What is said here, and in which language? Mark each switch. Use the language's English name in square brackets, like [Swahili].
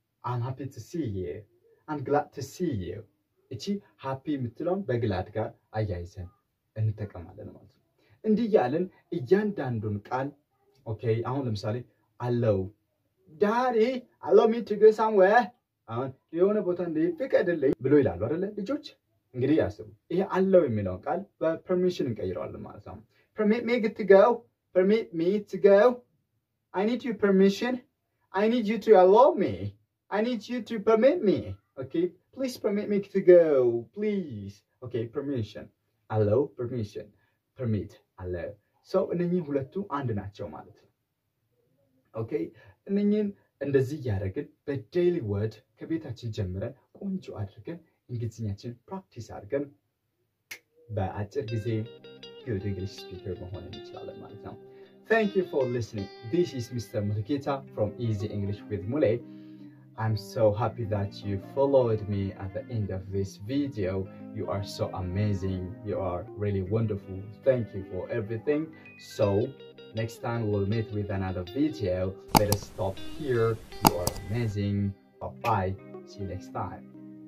[English] i'm happy to see you i'm glad to see you [Amharic] እቺ happy የምትለውን በglad ጋር አያይዘን እንተቀማለን ማለት ነው። እንዲህ ያለን እያንዳንዱን ቃል okay አሁን ለምሳሌ allow [English] daddy allow me to go somewhere [Amharic] አሁን የሆነ ቦታ እንድፈቀድልኝ ብሎ ይላል አይደለ ልጆች እንግዲህ ያስቡ ይሄ allow የሚለውን ቃል በpermission እንቀይረዋለን ማለት ነው። [English] permit me to go I need your permission I need you to allow me I need you to permit me okay Please permit me to go, please. Okay, permission. Allow, permission. Permit, allow. [Amharic] So, እነኚህ ሁለቱ አንድ ናቸው ማለት ነው. Okay, እነኚህን እንደዚህ ያደረግን በdaily word ከቤታችን ጀምረን ቆንጆ አድርገን እንግሊዝኛችን practice አድርገን በአጭር ጊዜ [English] good English speaker [Amharic] መሆን እንችላለን ማለት ነው. [English] Thank you for listening. This is Mr. Mulle from Easy English with Mulle. I'm so happy that you followed me at the end of this video. You are so amazing. You are really wonderful. Thank you for everything. So, Next time we'll meet with another video. Let us stop here. You are amazing. Bye-bye. See you next time.